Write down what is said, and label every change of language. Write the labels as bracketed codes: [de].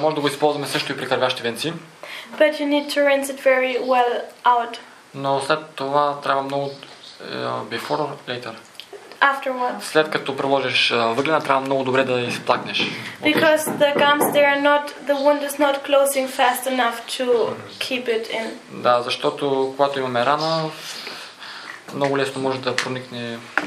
[bg] Може да го използваме също и при кървящи венци. [en] But you need to rinse it very well out. [bg] Но след това трябва много... [en] before or later? After what? [bg] След като приложиш въглена, трябва много добре да изплакнеш. [en] Because the gums there are not, the wound is not closing fast enough to keep it in. [bg] Да, защото когато имаме рана, много лесно може да проникне...